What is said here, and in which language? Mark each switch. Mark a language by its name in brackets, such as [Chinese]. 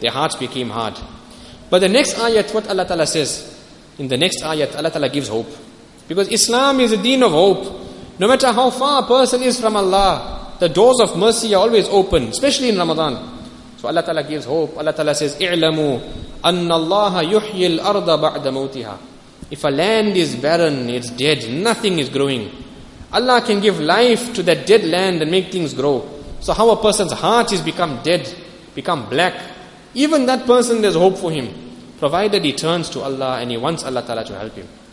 [English] Their hearts became hard. But the next ayat, what Allah Ta'ala says? In the next ayat, Allah Ta'ala gives hope. Because Islam is a deen of hope. No matter how far a person is from Allah, the doors of mercy are always open, especially in Ramadan. So Allah Ta'ala gives hope. Allah Ta'ala says, [Arabic] اِعْلَمُوا أَنَّ اللَّهَ يُحْيِي الْأَرْضَ بَعْدَ مَوْتِهَا. [English] If a land is barren, it's dead, nothing is growing. Allah can give life to that dead land and make things grow. So how a person's heart has become dead, become black, even that person, there's hope for him, provided he turns to Allah and he wants Allah Ta'ala to help him.